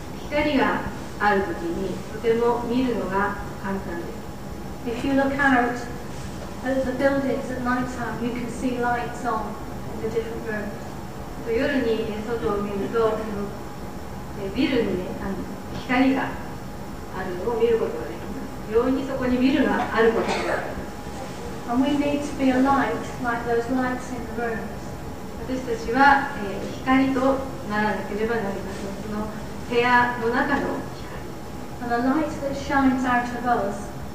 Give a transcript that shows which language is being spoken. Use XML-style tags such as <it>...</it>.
<ja>光があるときにとても見るのが簡単です。</ja> <en>If you look outAt the buildings at night time, you can see lights on in the different rooms.</en> <ja>と夜に外を見ると、ビルに、光があるのを見ることができます。容易にそこにビルがあることができます。</ja> <en>And we need to be a light like those lights in the rooms.</en> <ja>私たちは、光とならなければなりません。その部屋の中の光。</ja> <en>And a light that shines out of us.</en>